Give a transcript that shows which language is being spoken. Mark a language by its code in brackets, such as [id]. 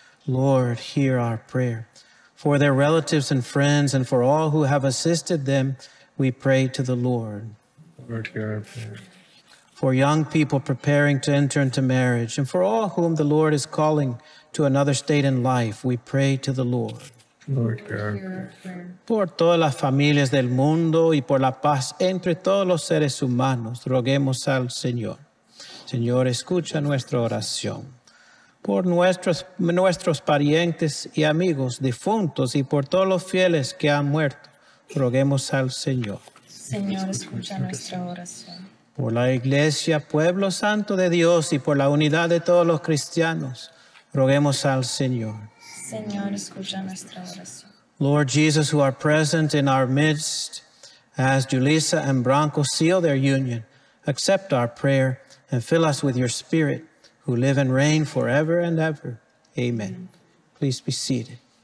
[en] Lord, hear our prayer. For their relatives and friends, and for all who have assisted them, we pray to the Lord. Lord, hear our prayer. For young people preparing to enter into marriage, and for all whom the Lord is calling to another state in life, we pray to the Lord. Lord, hear our prayer. [es] Por todas las familias del mundo y por la paz entre todos los seres humanos, roguemos al Señor. Señor, escucha nuestra oración. Por nuestros parientes y amigos difuntos y por todos los fieles que han muerto, roguemos al Señor. Señor, escucha nuestra oración. Por la Iglesia, pueblo santo de Dios y por la unidad de todos los cristianos, roguemos al Señor. Señor, escucha nuestra oración. [en] Lord Jesus, who are present in our midst, as Julisa and Branco seal their union, accept our prayer and fill us with your Spirit, who live and reign forever and ever. Amen. Please be seated.